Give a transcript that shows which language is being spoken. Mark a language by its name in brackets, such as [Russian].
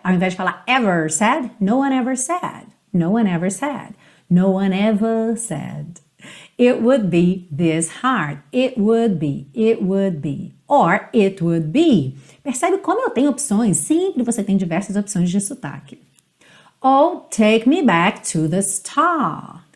[Portuguese] Ao invés de falar [English] ever said, no one ever said, no one ever said, no one ever said. It would be this hard. It would be, or it would be. [Portuguese] Percebe como eu tenho opções? Sempre você tem diversas opções de sotaque. [English] Oh, take me back to the start.